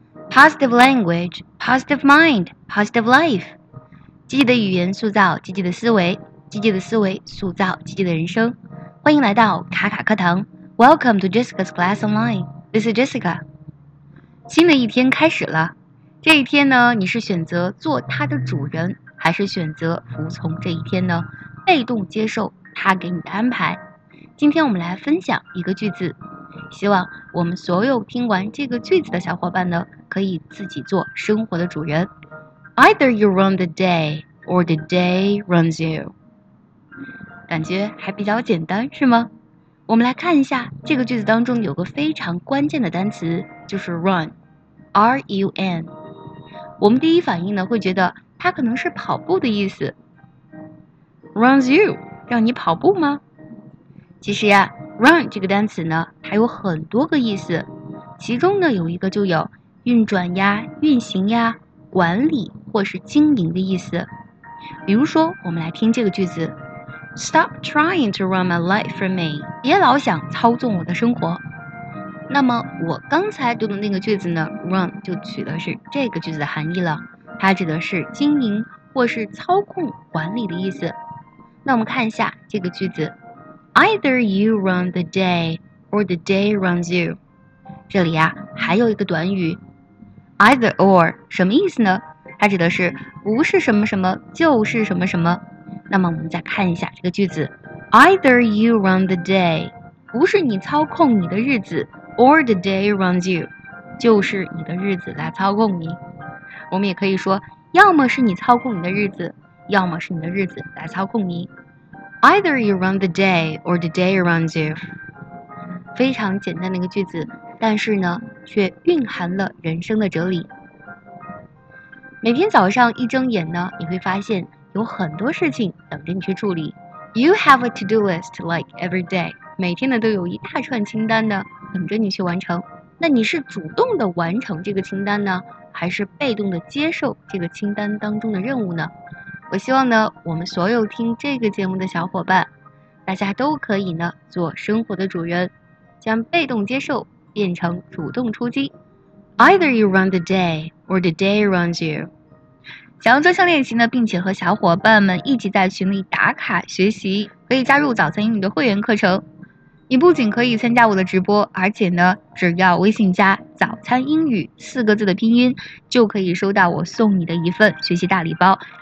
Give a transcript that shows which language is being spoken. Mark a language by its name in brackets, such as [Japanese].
[English] Positive language, positive mind, positive life. [Chinese] 积极的语言塑造积极的思维，积极的思维塑造积极的人生。欢迎来到卡卡课堂。 [English] Welcome to Jessica's Class Online. This is Jessica. [Chinese] 新的一天开始了。这一天呢，你是选择做它的主人，还是选择服从这一天呢？被动接受它给你的安排。今天我们来分享一个句子，希望我们所有听完这个句子的小伙伴呢，可以自己做生活的主人。 [English] Either you run the day, or the day runs you. [Chinese] 感觉还比较简单，是吗？我们来看一下这个句子当中有个非常关键的单词，就是 run, R-U-N。我们第一反应呢，会觉得它可能是跑步的意思。 [English] Runs you, [Chinese] 让你跑步吗？其实呀，run 这个单词呢，它有很多个意思，其中呢有一个就有运转呀、运行呀、管理或是经营的意思。比如说，我们来听这个句子 ： [English] Stop trying to run my life for me， [Chinese] 别老想操纵我的生活。那么我刚才读的那个句子呢 ，run 就取的是这个句子的含义了，它指的是经营或是操控、管理的意思。那我们看一下这个句子。 [English] Either you run the day, or the day runs you. [Chinese] 这里啊，还有一个短语 ，either or 什么意思呢？它指的是不是什么什么，就是什么什么。那么我们再看一下这个句子 ， [English] Either you run the day， [Chinese] 不是你操控你的日子 ， [English] or the day runs you， [Chinese] 就是你的日子来操控你。我们也可以说，要么是你操控你的日子，要么是你的日子来操控你。 [English] Either you run the day, or the day runs you. [Chinese] 非常简单的一个句子，但是呢，却蕴含了人生的哲理。每天早上一睁眼呢，你会发现有很多事情等着你去处理。 [English] You have a to-do list like every day. [Chinese] 每天呢都有一大串清单呢等着你去完成。那你是主动的完成这个清单呢，还是被动的接受这个清单当中的任务呢？我希望呢，我们所有听这个节目的小伙伴，大家都可以呢做生活的主人，将被动接受变成主动出击。 [English] Either you run the day, or the day runs you. [Chinese] 想要专项练习呢，并且和小伙伴们一起在群里打卡学习，可以加入早餐英语的会员课程。你不仅可以参加我的直播，而且呢，只要微信加“早餐英语”四个字的拼音，就可以收到我送你的一份学习大礼包。